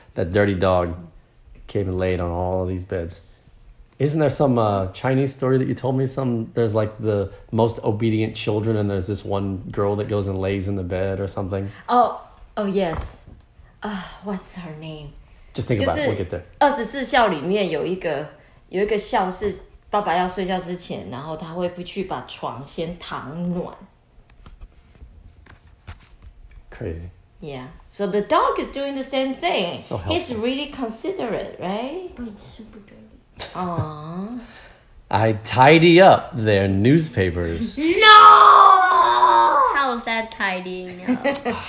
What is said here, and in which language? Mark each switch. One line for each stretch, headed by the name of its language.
English: That dirty dog came and laid on all of these beds. Isn't there some Chinese story that you told me? There's like the most obedient children and there's this one girl that goes and lays in the bed or something. Oh, yes. What's her name? Just think about it. We'll get there.
Chinese: 24孝里面有一个孝是爸爸要睡觉之前, 然后他会不去把床先躺暖。
English: Crazy. Yeah. So the dog is doing the same thing. So helpful. He's really considerate, right? But it's super dirty. Aww. I tidy up their newspapers. No! How is that tidying up?